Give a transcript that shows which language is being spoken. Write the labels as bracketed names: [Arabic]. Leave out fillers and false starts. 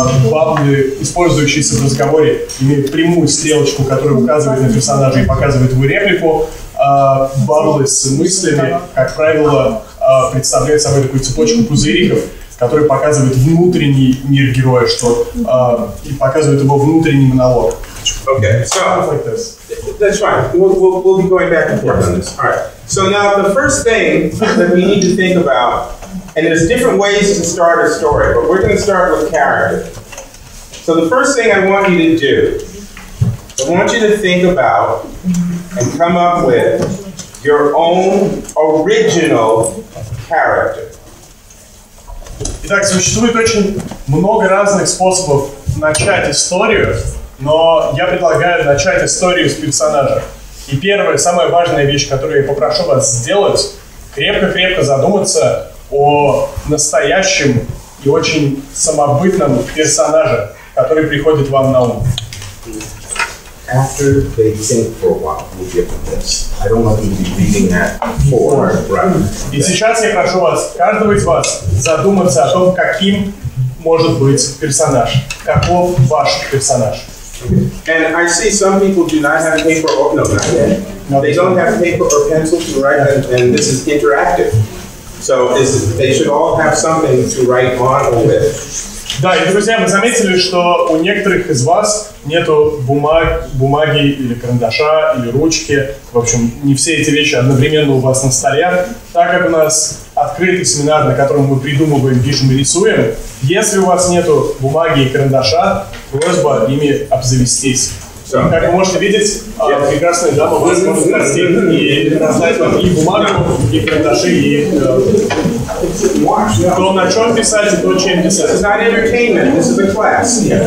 [Russian] Баблы, использующиеся в разговоре, имеют прямую стрелочку, которая указывает на персонажа и показывает его реплику. Баблы с мыслями, как правило, представляют собой такую цепочку пузыриков, который показывает внутренний мир героя, что и показывает его внутренний монолог. [English] Okay, so like this. That's fine. We'll be going back and forth on this. All right. So now the first thing that we need to think about, and there's different ways to start a story, but we're going to start with character. So the first thing I want you to do, I want you to think about and come up with your own original character. [Russian] Итак, существует очень много разных способов начать историю, но я предлагаю начать историю с персонажа. И первая, самая важная вещь, которую я попрошу вас сделать, крепко-крепко задуматься о настоящем и очень самобытном персонаже, который приходит вам на ум. [English] After they think for a while, we'll give them this. I don't want you to be reading that before, right? [Russian] И сейчас я прошу вас, каждого из вас, задуматься о том, каким может быть персонаж. Каков ваш персонаж? [English] And I see some people do not have paper or pencil. No, they don't have paper or pencil to write, and this is interactive. So they should all have something to write on or with. [Russian] Да, и, друзья, вы заметили, что у некоторых из вас нету бумаги или карандаша, или ручки. В общем, не все эти вещи одновременно у вас на столе. Так как у нас открытый семинар, на котором мы придумываем, пишем и рисуем, если у вас нету бумаги и карандаша, просьба ими обзавестись. И, как вы можете видеть, прекрасная дама вас может спросить и раздать вам и бумагу, и карандаши, и... Кто на чем писать, и кто чем писать. [English] This is not entertainment, this is a class.